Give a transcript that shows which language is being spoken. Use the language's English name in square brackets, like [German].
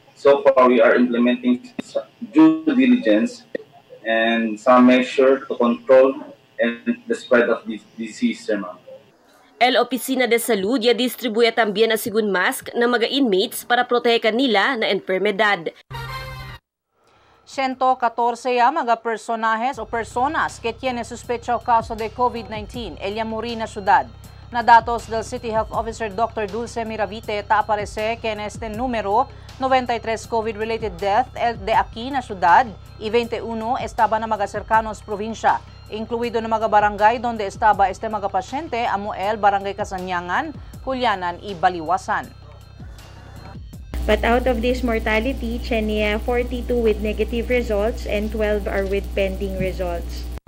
[English] So far, we are implementing due diligence and some measure to control and the spread of this disease. [Chavacano] El Opisina de Salud ya distribuye también asigun mask na mga inmates para protege kanila na enfermedad. 114 ya mga personajes o personas que tiene sospecha o caso de COVID-19 ella muri na ciudad. Na datos del City Health Officer Dr. Dulce Miravite ta aparece que en este número 93 COVID-related death el de aquí na ciudad y 21 estaba na mga cercanos provincia, incluido na mga barangay donde estaba este mga pasyente amo el Barangay Kasanyangan, Kulyanan y Baliwasan. [English] But out of this mortality, Chenia 42 with negative results and 12 are with pending results.